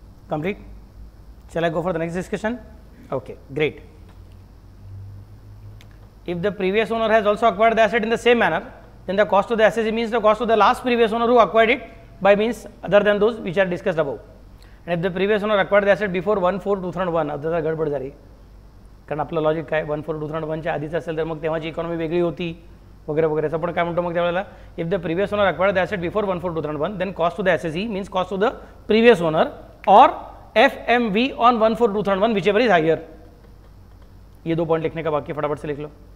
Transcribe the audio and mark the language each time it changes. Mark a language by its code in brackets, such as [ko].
[en] Complete, shall I go for the next discussion? Okay great. If the previous owner has also acquired the asset in the same manner then the cost of the asset means the cost of the last previous owner who acquired it by means other than those which are discussed above. And if the previous owner acquired the asset before 1/4/2001, [mr] otherwise गडबड झाली, कारण आपलं logic काय 1/4/2001 आधीचं असेल तर मग तेव्हाची इकॉनॉमी वेगळी होती वगैरे वगैरे. असं पण काय म्हणतो मग त्यावेळेला, [en] If the previous owner acquire the asset before 1/4/2001 then cost to the assessee means cost to the previous owner or F M V on 1/4/2001 whichever is higher. [hi] ये दो पॉइंट लिखने का बाकी, फटाफट से लिख लो.